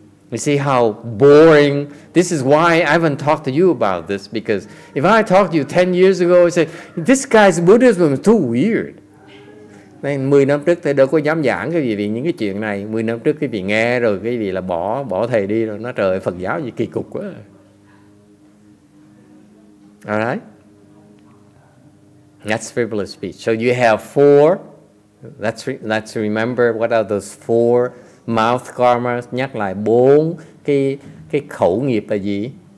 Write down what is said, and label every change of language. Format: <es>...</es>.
<en>You see how boring, this is why I haven't talked to you about this, because if I talked to you 10 years ago, I say, this guy's Buddhism is too weird.</en> <vi>Nên 10 năm trước thầy đâu có dám giảng cái gì về những cái chuyện này. 10 năm trước cái gì nghe rồi cái gì là bỏ thầy đi rồi. Nói trời Phật giáo gì kỳ cục quá.</vi> <en>Alright? That's frivolous speech. So you have four. Let's remember what are those four mouth karmas.</en> <vi>Nhắc lại bốn cái khẩu nghiệp là gì?</vi>